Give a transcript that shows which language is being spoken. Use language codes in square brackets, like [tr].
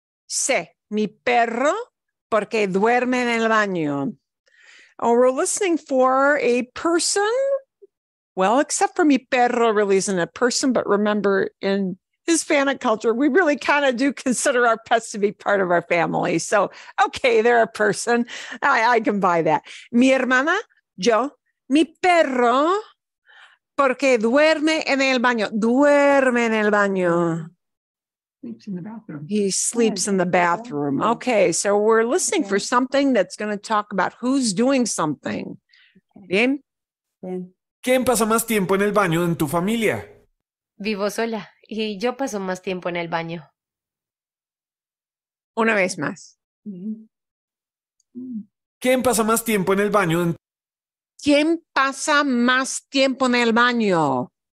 [es] C, mi perro, porque duerme en el baño. [en] Oh, we're listening for a person. Well, except for [es] mi perro [en] really isn't a person, but remember in Hispanic culture, we really kind of do consider our pets to be part of our family. So, okay, they're a person. I can buy that. [es] Mi hermana, yo. Mi perro, porque duerme en el baño. Duerme en el baño. [en] Sleeps in the bathroom. He sleeps in the bathroom. Okay, so we're listening for something that's going to talk about who's doing something. [es] Bien. ¿Quién pasa más tiempo en el baño en tu familia? Vivo sola y yo paso más tiempo en el baño. Una vez más. ¿Quién pasa más tiempo en el baño? ¿Quién pasa más tiempo en el baño?